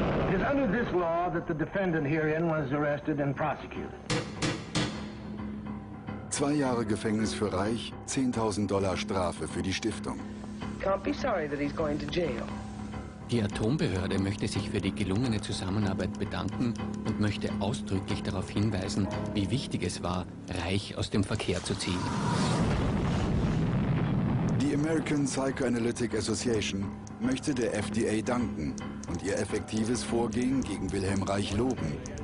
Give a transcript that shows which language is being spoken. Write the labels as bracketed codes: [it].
[en] It is under this law that the defendant herein was arrested and prosecuted. [de] 2 Jahre Gefängnis für Reich, $10,000 Strafe für die Stiftung. [en] Can't be sorry that he's going to jail. [de] Die Atombehörde möchte sich für die gelungene Zusammenarbeit bedanken und möchte ausdrücklich darauf hinweisen, wie wichtig es war, Reich aus dem Verkehr zu ziehen. Die American Psychoanalytic Association möchte der FDA danken und ihr effektives Vorgehen gegen Wilhelm Reich loben.